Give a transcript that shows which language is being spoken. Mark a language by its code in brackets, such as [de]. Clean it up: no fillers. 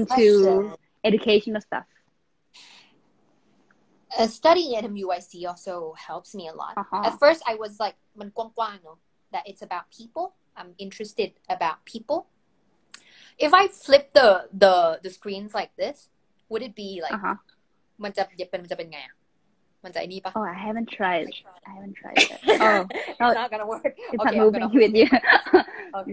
[en] into educational stuff Studying at MUIC also helps me a lot At first I was like [th] มันกว้างๆเนาะ [en] that it's about people I'm interested about people If I flip the screens like this would it be like uh-huh. [th] มันจะเย็บเป็นมันจะเป็นไงอ่ะมันจะไอ้นี่ป่ะ [en] oh I haven't tried I haven't tried it. oh no, it's not gonna work it's okay, not moving with you okay.